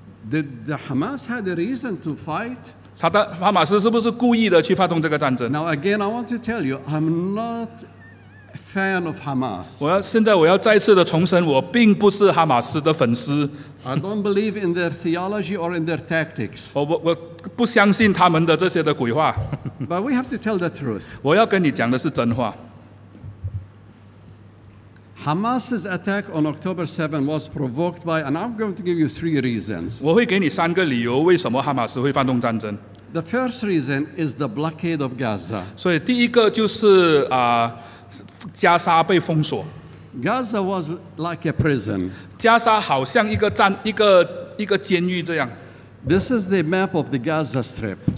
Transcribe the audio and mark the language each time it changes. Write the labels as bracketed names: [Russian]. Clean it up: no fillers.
[English] Did the Hamas had a reason to fight? [Chinese] 哈马斯是不是故意的去发动这个战争？ [English] Now again, I want to tell you, I'm not a fan of Hamas. [Chinese] 现在我要再次的重申，我并不是哈马斯的粉丝。 [English] I don't believe in their theology or in their tactics. [Chinese] 我不相信他们的这些的鬼话。 [English] But we have to tell the truth. [Chinese] 我要跟你讲的是真话。 [English] Hamas's attack on October 7 was provoked by, and I'm going to give you three reasons. [Chinese] 我会给你三个理由，为什么哈马斯会发动战争。 [English] The first reason is the blockade of Gaza. [Chinese] 所以第一个就是加沙被封锁。 [English] Gaza was like a prison. [Chinese] 加沙好像一个监狱这样。 [English] This is the map of the Gaza Strip.